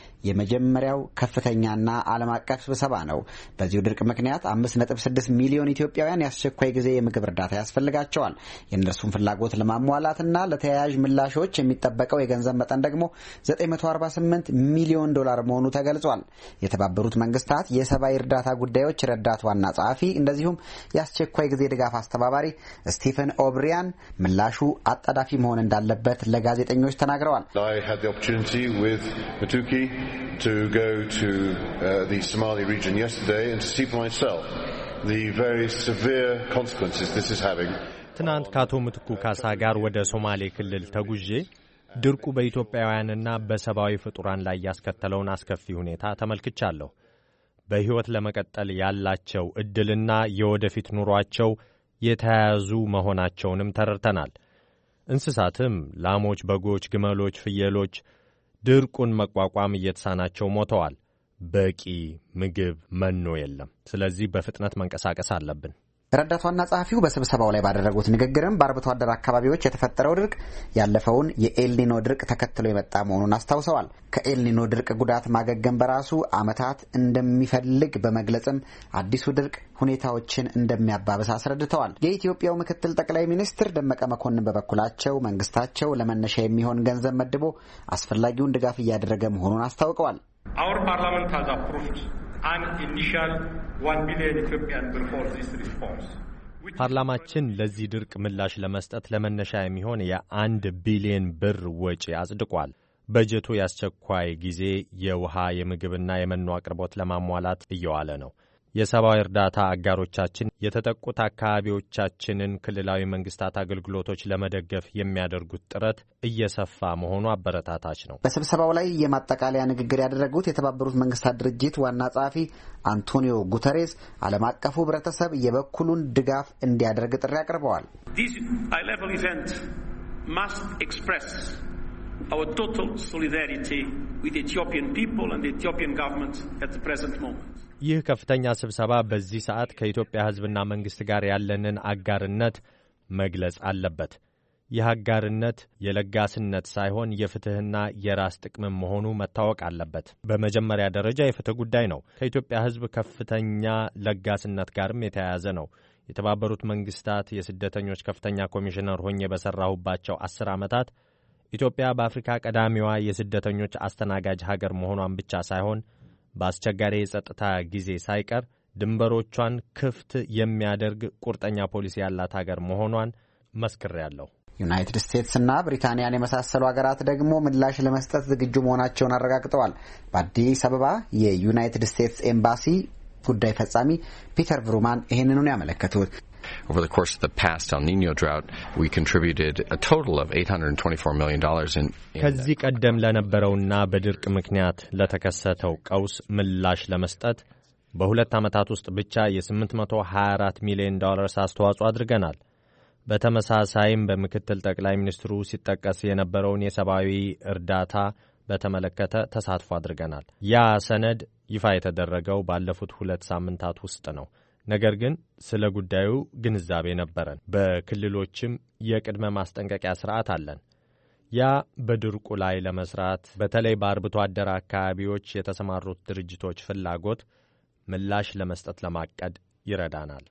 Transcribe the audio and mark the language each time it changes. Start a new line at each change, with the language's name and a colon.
Amharic: የመጀመሪያው ከፍተኛና ዓለም አቀፍ ስብሰባ ነው። በዚሁ ድርቅ ምክንያት 5.6 ሚሊዮን ኢትዮጵያውያን ያስቸኳይ ጊዜ የምግብ እርዳታ ያስፈልጋቸዋል። የእነርሱን ፍላጎት ለማሟላትና ለተያያዥ ምላሾች የሚጠበቀው የገንዘብ መጠን ደግሞ 948 ሚሊዮን ዶላር መሆኑ ተገልጿል። የተባበሩት መንግስታት የሰብአዊ እርዳታ ጉዳዮች ረዳት ዋና ጸሐፊ እንደዚሁም ያስቸኳይ ጊዜ ድጋፍ አስተባባሪ ስቲፈን ኦብሪያን ምላሹ አጣዳፊ መሆን እንዳለበት ለጋዜጠኞች ተናግረዋል።
English: I had the opportunity with Matuki to go to the Somali region yesterday and to see for myself the very severe consequences this is having.
Amharic: ትናንት ካቶ ምትኩ ካሳ ጋር ወደ ሶማሌ ክልል ተጉዤ ድርቁ በኢትዮጵያውያንና በሰብአዊ ፍጡራን ላይ ያስከተለውን አስከፊ ሁኔታ ተመልክቻለሁ። በሕይወት ለመቀጠል ያላቸው እድልና የወደፊት ኑሯቸው የተያዙ መሆናቸውንም ተረድተናል። እንስሳትም ላሞች፣ በጎች፣ ግመሎች፣ ፍየሎች ድርቁን መቋቋም እየተሳናቸው ሞተዋል። በቂ ምግብ መኖ የለም። ስለዚህ በፍጥነት መንቀሳቀስ አለብን። ረዳቷና ጸሐፊው በስብሰባው ላይ ባደረጉት ንግግርም በአርብቶ አደር አካባቢዎች የተፈጠረው ድርቅ ያለፈውን የኤልኒኖ ድርቅ ተከትሎ የመጣ መሆኑን አስታውሰዋል። ከኤልኒኖ ድርቅ ጉዳት ማገገም በራሱ ዓመታት እንደሚፈልግ በመግለጽም አዲሱ ድርቅ ሁኔታዎችን እንደሚያባብስ አስረድተዋል። የኢትዮጵያው ምክትል ጠቅላይ ሚኒስትር ደመቀ መኮንን በበኩላቸው መንግስታቸው ለመነሻ የሚሆን ገንዘብ መድቦ አስፈላጊውን ድጋፍ እያደረገ መሆኑን አስታውቀዋል።
English: Our parliament has approved an initial 1 billion Ethiopian birr for this response.
Amharic: ፓርላማችን ለዚህ ድርቅ ምላሽ ለመስጠት ለመነሻ የሚሆን የ1 ቢሊዮን ብር ወጪ አጽድቋል። በጀቱ ያስቸኳይ ጊዜ የውሃ፣ የምግብና የመኖ አቅርቦት ለማሟላት እየዋለ ነው። የሰብአዊ እርዳታ አጋሮቻችን የተጠቁት አካባቢዎቻችንን ክልላዊ መንግስታት አገልግሎቶች ለመደገፍ የሚያደርጉት ጥረት እየሰፋ መሆኑ አበረታታች ነው። በስብሰባው ላይ የማጠቃለያ ንግግር ያደረጉት የተባበሩት መንግስታት ድርጅት ዋና ጸሐፊ አንቶኒዮ ጉተሬስ ዓለም አቀፉ ህብረተሰብ የበኩሉን ድጋፍ እንዲያደርግ ጥሪ አቅርበዋል።
English: This high-level event must express our total solidarity with the Ethiopian people and the Ethiopian government at the present moment.
Amharic: ይህ ከፍተኛ ስብሰባ በዚህ ሰዓት ከኢትዮጵያ ህዝብና መንግስት ጋር ያለንን አጋርነት መግለጽ አለበት። ይህ አጋርነት የለጋስነት ሳይሆን የፍትህና የራስ ጥቅም መሆኑ መታወቅ አለበት። በመጀመሪያ ደረጃ የፍትህ ጉዳይ ነው። ከኢትዮጵያ ህዝብ ከፍተኛ ለጋስነት ጋርም የተያያዘ ነው። የተባበሩት መንግስታት የስደተኞች ከፍተኛ ኮሚሽነር ሆኜ በሰራሁባቸው 10 አመታት ኢትዮጵያ በአፍሪካ ቀዳሚዋ የስደተኞች አስተናጋጅ ሀገር መሆኗን ብቻ ሳይሆን በአስቸጋሪ የጸጥታ ጊዜ ሳይቀር ድንበሮቿን ክፍት የሚያደርግ ቁርጠኛ ፖሊሲ ያላት ሀገር መሆኗን መስክሬያለሁ። ዩናይትድ ስቴትስ እና ብሪታንያን የመሳሰሉ ሀገራት ደግሞ ምላሽ ለመስጠት ዝግጁ መሆናቸውን አረጋግጠዋል። በአዲስ አበባ የዩናይትድ ስቴትስ ኤምባሲ ጉዳይ ፈጻሚ ፒተር ቭሩማን ይህንኑን ያመለከቱት
English: Over the course of the past El Nino drought, we contributed a total of $824 million in
Amharic: ከዚ ቀደም ለነበረውና በድርቅ ምክንያት ለተከሰተው ቀውስ ምላሽ ለመስጠት በሁለት አመታት ውስጥ ብቻ የ824 ሚሊዮን ዶላር አስተዋጽኦ አድርገናል። በተመሳሳይም በመከተል ጠቅላይ ሚኒስትሩ ሲጠቀስ የነበረውን የሰብአዊ እርዳታ በተመለከተ ተሳትፎ አድርገናል። ያ ሰነድ ይፋ የተደረገው ባለፉት 2 ሳምንታት ውስጥ ነው። ነገር ግን ስለ ጉዳዩ ግንዛቤ ነበረን። በክልሎችም የቅድመ ማስጠንቀቂያ ስርዓት አለን። ያ በድርቁ ላይ ለመስራት በተለይ በአርብቶ አደር አካባቢዎች የተሰማሩት ድርጅቶች ፍላጎት ምላሽ ለመስጠት ለማቀድ ይረዳናል።